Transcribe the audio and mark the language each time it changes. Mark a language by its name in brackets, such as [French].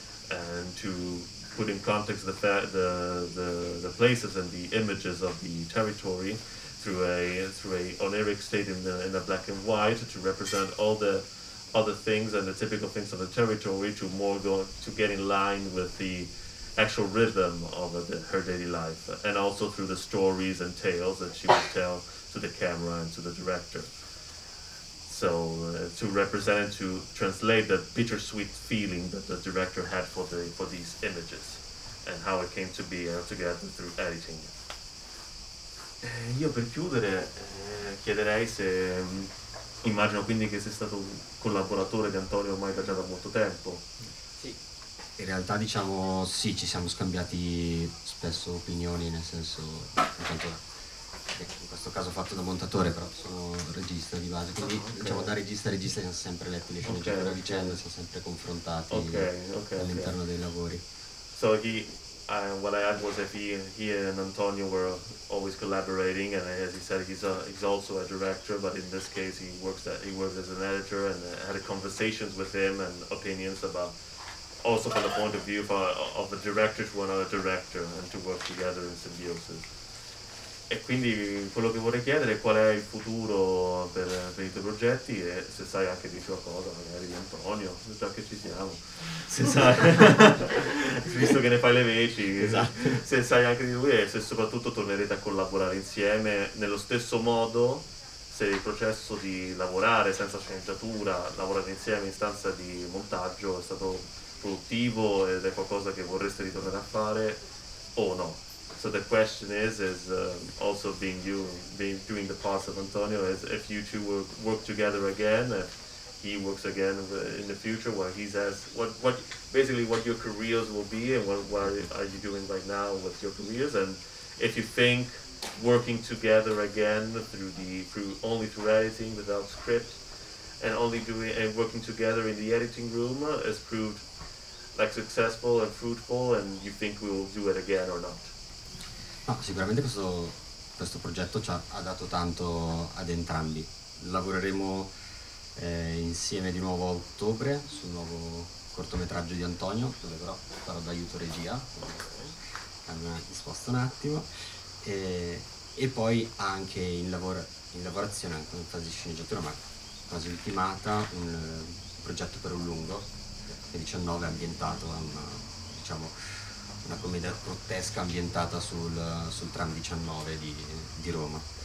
[English] And to put in context the places and the images of the territory, through a oneric state in the black and white, to represent all the other things and the typical things of the territory, to more go to get in line with the actual rhythm of her daily life, and also through the stories and tales that she would tell to the camera and to the director. So to represent, to translate the bittersweet feeling that the director had for these images, and how it came to be together through editing. [Italian] Io per chiudere chiederei se, immagino quindi che sei stato collaboratore di Antonio ormai da già da molto tempo. Sì, in realtà diciamo sì, ci siamo scambiati spesso opinioni, nel senso, intanto in questo caso ho fatto da montatore, però sono regista di base, quindi diciamo da regista a regista siamo sempre letti le sceneggiature a vicenda, siamo sempre confrontati all'interno dei lavori. [English] So what I had was if he and Antonio were always collaborating, and as he said, he's also a director, but in this case he works as an editor, and had conversations with him and opinions about, also from the point of view of a director to another director, and to work together in symbiosis. [Italian] E quindi quello che vorrei chiedere è qual è il futuro per i tuoi progetti, e se sai anche di qualcosa, magari di Antonio, già che ci siamo. Se sai, visto che ne fai le veci, esatto. Se sai anche di lui, e se soprattutto tornerete a collaborare insieme nello stesso modo, se il processo di lavorare senza sceneggiatura, lavorare insieme in stanza di montaggio, è stato produttivo ed è qualcosa che vorreste ritornare a fare o no. [English] So the question is also being doing the parts of Antonio, is if you two will work together again, if he works again in the future, what he says, what your careers will be, and what are you doing right now with your careers, and if you think working together again through editing without script, and only doing and working together in the editing room has proved like successful and fruitful, and you think we will do it again or not. [Italian] No, sicuramente questo progetto ci ha dato tanto ad entrambi. Lavoreremo insieme di nuovo a ottobre sul nuovo cortometraggio di Antonio, dove però farò d'aiuto regia, quindi mi sposto un attimo, e poi anche in lavorazione, anche in fase di sceneggiatura, ma quasi ultimata, un progetto per un lungo, 2019, ambientato a una commedia grottesca ambientata sul tram 19 di Roma.